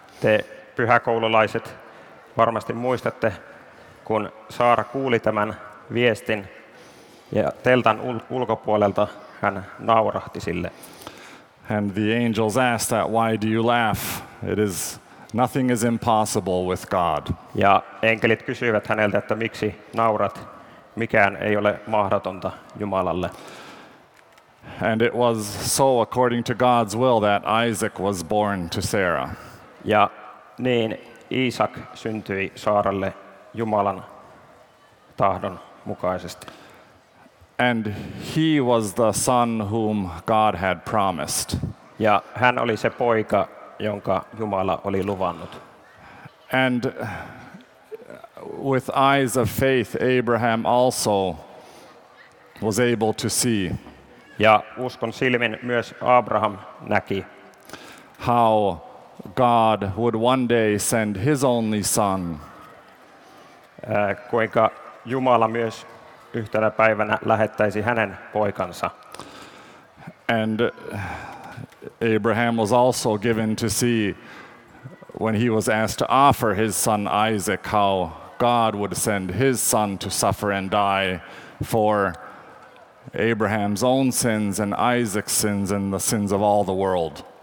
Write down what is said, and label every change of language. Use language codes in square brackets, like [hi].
[fi] Te pyhäkoululaiset varmasti muistatte, kun Saara kuuli tämän viestin ja teltan ulkopuolelta hän naurahti sille. [en] And the angels asked that, why do you laugh? Nothing is impossible with God. [fi] Ja enkelit kysyivät häneltä, että miksi naurat? Mikään ei ole mahdotonta Jumalalle. [en] And it was so according to God's will that Isaac was born to Sarah. [fi] Ja niin Iisak syntyi Saaralle Jumalan tahdon mukaisesti. [en] And he was the son whom God had promised. [fi] Ja hän oli se poika, jonka Jumala oli luvannut. [en] And with eyes of faith Abraham also was able to see. [fi] Ja uskon silmin myös Abraham näki [en] how God would one day send his only son. [fi] Kuinka Jumala myös yhtenä päivänä lähettäisi hänen poikansa. [en] And Abraham was also given to see when he was asked to offer his son Isaac how God would send his son to suffer and die for Abraham's own sins and Isaac's sins and the sins of all the world.